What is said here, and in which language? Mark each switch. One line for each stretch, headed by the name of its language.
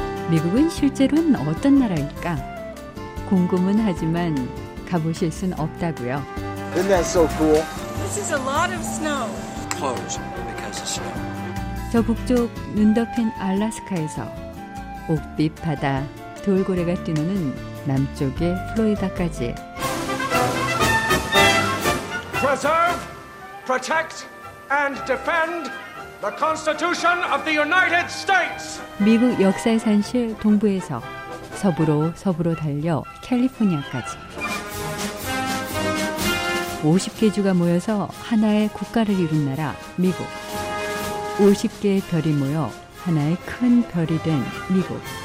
Korean: 미국은 실제로는 어떤 나라일까? 궁금은 하지만 가보실 순 없다고요.
English: Isn't that so cool? This is a lot of snow. Close because of snow.
Korean: 저 북쪽 눈 덮인 알래스카에서 옥빛 바다 돌고래가 뛰노는 남쪽의 플로리다까지.
English: Preserve, protect and defend the Constitution of the United States.
Korean: 미국 역사의 산실 동부에서 서부로 달려 캘리포니아까지. 50개 주가 모여서 하나의 국가를 이룬 나라, 미국. 50개의 별이 모여 하나의 큰 별이 된 미국.